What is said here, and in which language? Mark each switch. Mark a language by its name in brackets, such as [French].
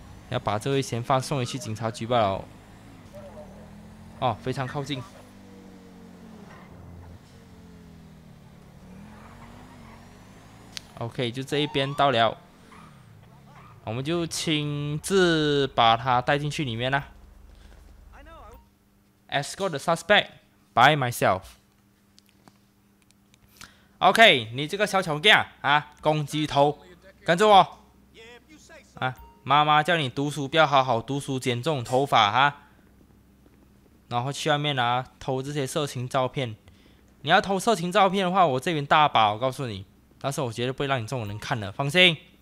[Chinese] 要把这位嫌犯送回去警察局罢了。哦，非常靠近。 OK, 就这一边到了。我们就亲自把他带进去里面啦。 [English] Escort the suspect by myself. [Chinese] OK, 你这个小丑架啊，公鸡头，跟着我啊！妈妈叫你读书，不要好好读书，剪这种头发啊，然后去外面啊偷这些色情照片。你要偷色情照片的话，我这边大把，我告诉你，但是我绝对不会让你这种人看的，放心。